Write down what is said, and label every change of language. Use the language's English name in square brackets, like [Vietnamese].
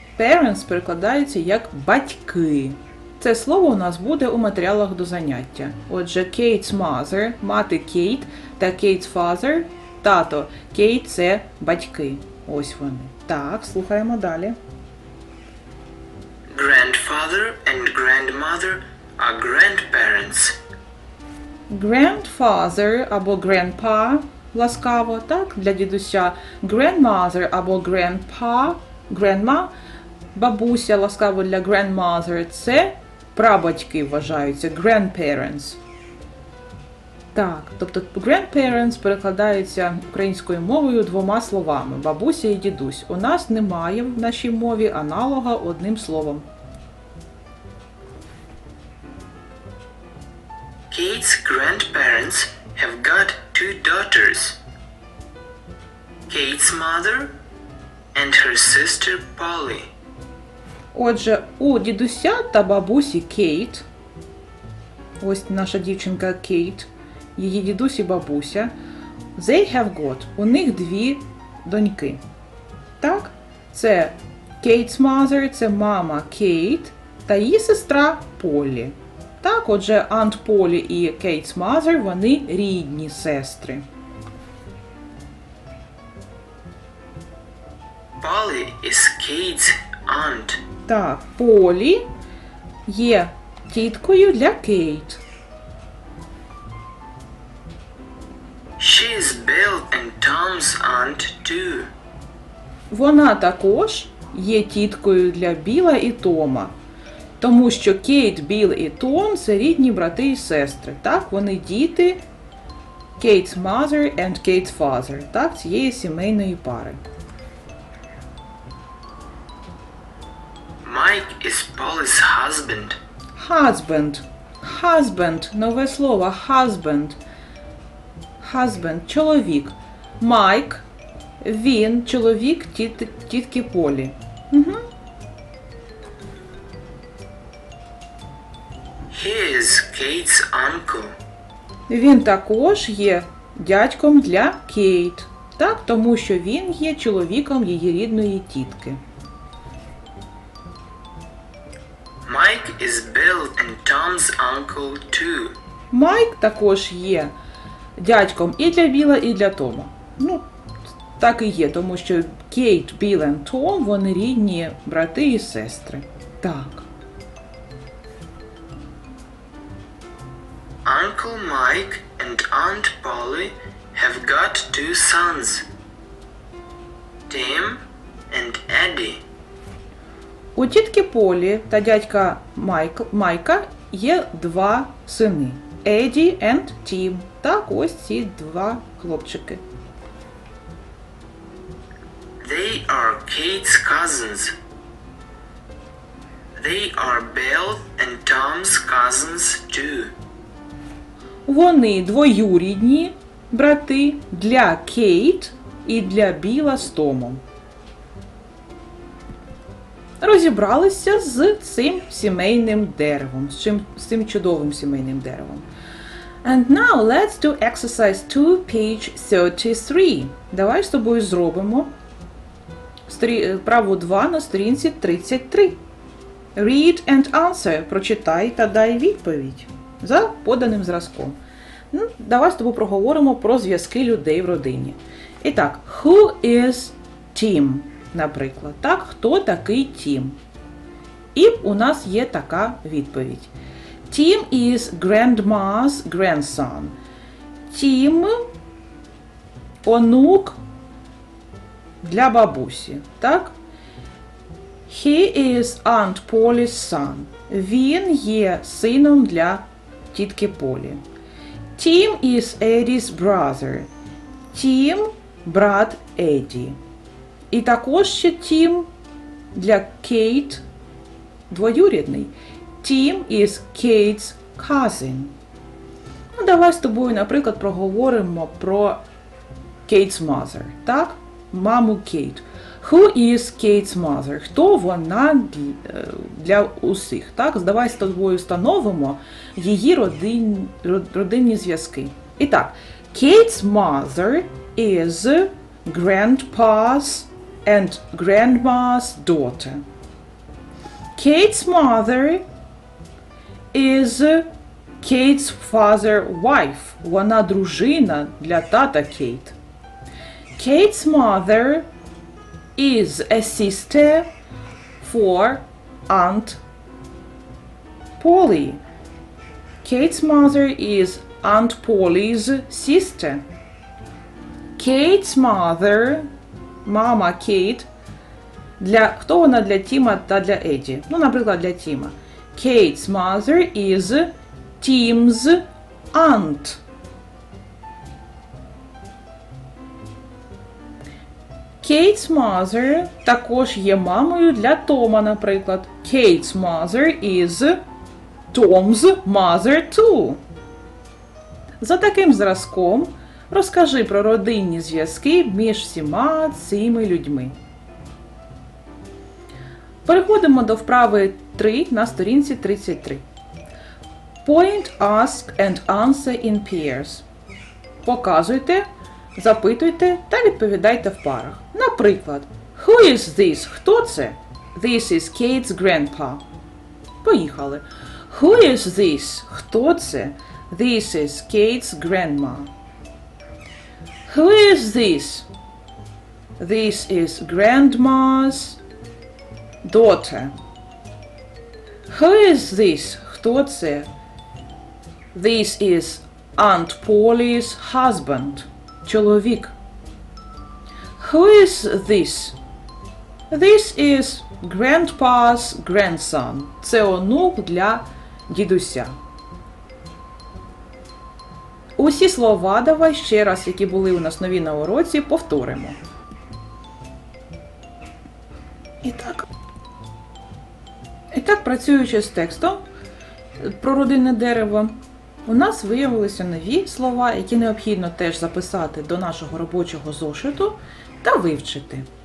[Ukrainian] Parents перекладається як батьки. Це слово у нас буде у матеріалах до заняття. Отже, [English] Kate's mother [Ukrainian] – мати Kate, та [English] Kate's father [Ukrainian] – тато. Kate – це батьки. Ось вони. Так, слухаємо далі. [English] Grandfather and grandmother are grandparents. grandfather або grandpa, ласкаво, так, для дідуся, grandmother або grandpa, grandma, бабуся, [Ukrainian] ласкаво, для grandmother, це прабатьки вважаються, grandparents. Так, тобто grandparents перекладається українською мовою двома словами, бабуся і дідусь. У нас немає в нашій мові аналога одним словом. [English] Kate's grandparents have got two daughters. Kate's mother and her sister Polly. [Ukrainian] Отже, у дідуся та бабусі Кейт, ось наша дівчинка Кейт, її дідусь і бабуся, [English] they have got, [Ukrainian] у них дві доньки. Так? Це Kate's mother, це мама Кейт та її сестра Полі. Так, отже, [English] Aunt Polly [Ukrainian] і [English] Kate's mother, [Ukrainian] вони рідні сестри. [English] Polly is Kate's aunt. [Ukrainian] Так, Polly є тіткою для Kate. [English] She is Bill and Tom's aunt too. [Ukrainian] Вона також є тіткою для Біла і Тома. Тому що Кейт, Біл і Том – це рідні брати і сестри. Так, вони діти [English] Kate's mother and Kate's father. [Ukrainian] Так, цієї сімейної пари. [English] Mike is Polly's husband. Husband. Husband. [Ukrainian] Нове слово. [English] Husband. Husband. Чоловік. Майк. [Ukrainian] Він – чоловік тітки Полі. Угу. [English] He is Kate's uncle. [Ukrainian] Він також є дядьком для Кейт. Так, тому що він є чоловіком її рідної тітки. [English] Mike is Bill and Tom's uncle too. [Ukrainian] Майк також є дядьком і для Біла, і для Тома. Ну, так і є, тому що Кейт, Біл і Том, вони рідні брати і сестри. Так. [English] Uncle Mike and Aunt Polly have got two sons, Tim and Eddie. [Ukrainian] У тітки Полі та дядька Майка є два сини, [English] Eddie and Tim. [Ukrainian] Так, ось ці два хлопчики. [English] They are Kate's cousins. They are Bill and Tom's cousins too. [Ukrainian] Вони двоюрідні брати для Кейт і для Біла з Томом. Розібралися з цим сімейним деревом, з цим чудовим сімейним деревом. [English] And now let's do exercise 2, page 33. [Ukrainian] Давай з тобою зробимо вправу 2 на сторінці 33. [English] Read and answer. [Ukrainian] Прочитай та дай відповідь за поданим зразком. Ну, давай з тобою проговоримо про зв'язки людей в родині. І так, [English] who is Tim, [Ukrainian] наприклад. Так, хто такий Tim? І у нас є така відповідь. [English] Tim is grandma's grandson. [Ukrainian] Tim – онук для бабусі. Так? [English] He is Aunt Polly's son. [Ukrainian] Він є сином для тітки Полі. [English] Tim is Eddie's brother. [Ukrainian] Tim – брат Еді. І також ще Tim для Кейт – двоюрідний. [English] Tim is Kate's cousin. [Ukrainian] Ну, давай з тобою, наприклад, проговоримо про Kate's mother. Так? Маму Кейт. [English] Who is Kate's mother? [Ukrainian] Хто вона для усіх? Так, давай з тобою встановимо її родинні зв'язки. [English] І так, Kate's mother is grandpa's and grandma's daughter. Kate's mother is Kate's father's wife. [Ukrainian] Вона дружина для тата Кейт. [English] Kate's mother is a sister for Aunt Polly. Kate's mother is Aunt Polly's sister. Kate's mother, [Ukrainian] мама Kate, для, хто вона для Тіма та для Еді? Ну, наприклад, для Тіма. [English] Kate's mother is Tim's aunt. Kate's mother [Ukrainian] також є мамою для Тома, наприклад. [English] Kate's mother is Tom's mother too. [Ukrainian] За таким зразком розкажи про родинні зв'язки між всіма цими людьми. Переходимо до вправи 3 на сторінці 33. [English] Point, ask and answer in pairs. [Ukrainian] Показуйте, запитуйте та відповідайте в парах. Наприклад, [English] who is this? [Ukrainian] Хто це? [English] This is Kate's grandpa. [Ukrainian] Поїхали. [English] Who is this? [Ukrainian] Хто це? [English] This is Kate's grandma. Who is this? This is grandma's daughter. Who is this? [Ukrainian] Хто це? [English] This is Aunt Polly's husband. Чоловік. Who is this? This is grandpa's grandson. [Ukrainian] Це онук для дідуся. Усі слова давай ще раз, які були у нас нові на уроці, повторимо. І так, працюючи з текстом про родинне дерево, у нас виявилися нові слова, які необхідно теж записати до нашого робочого зошиту та вивчити.